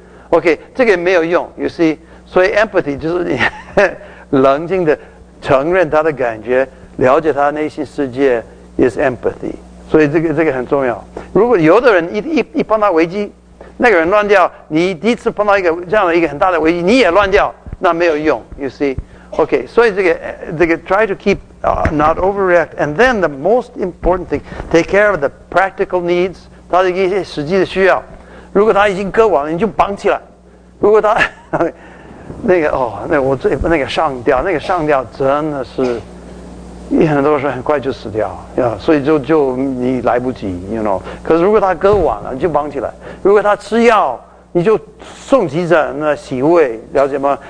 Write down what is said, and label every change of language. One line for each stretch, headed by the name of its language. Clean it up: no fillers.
Chinese: OK， 这个没有用 ，
English: you see。
Chinese: 所以 empathy 就是你冷静的承认他的感觉，了解他内心世界
English: is empathy。
Chinese: 所以这个很重要。如果有的人一碰到危机，那个人乱掉，你第一次碰到一个这样的一个很大的危机，你也乱掉，那没有用 ，
English: you see。
Chinese: OK， 所以这个
English: try to keep。 Not overreact, and then the most important thing, take care of the practical needs.
Chinese: 他的一些实际的需要，如果他已经割完了，你就绑起来。如果他那个哦，那个、我最那个上吊，那个上吊真的是，一很多时候很快就死掉呀，所以就你来不及 ，
English: you know。
Chinese: 可是如果他割完了，你就绑起来。如果他吃药，你就送急诊那洗胃，了解吗？